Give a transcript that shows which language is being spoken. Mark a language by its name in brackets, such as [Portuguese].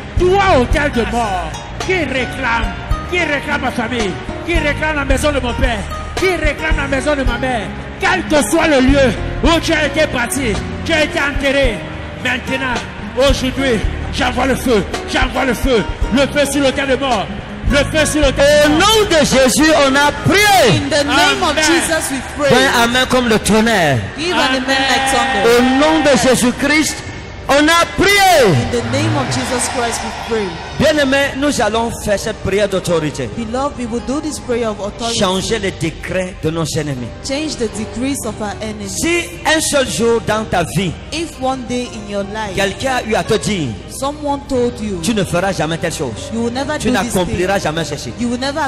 [French] Toi, hôtel de mort, qui réclame ma famille, qui réclame la maison de mon père, qui réclame la maison de ma mère, quel que soit le lieu où tu as été bâti, tu as été enterré, maintenant, aujourd'hui, j'envoie le feu, j'envoie le feu sur l'autel de mort, le feu sur l'autel de mort. Au nom de Jésus, on a prié. [English] In the name amen. Of Jesus, we pray. [French] Ben, amen comme le tonnerre. [English] Give an amen like thunder. [French] Au nom de Jésus-Christ, on a prié. [English] In the name of Jesus Christ, we pray. [French] Bien-aimés, nous allons faire cette prière d'autorité. [English] Beloved, we will do this prayer of authority. [French] Changer les décrets de nos ennemis. [English] Change the decrees of our enemies. [French] Si un seul jour dans ta vie, [English] if one day in your life, [French] quelqu'un a eu à te dire, [English] someone told you, [French] tu ne feras jamais telle chose. [English] You will never [French] tu [English] do [French] n'accompliras [English] this [French] jamais ceci. [English] You will never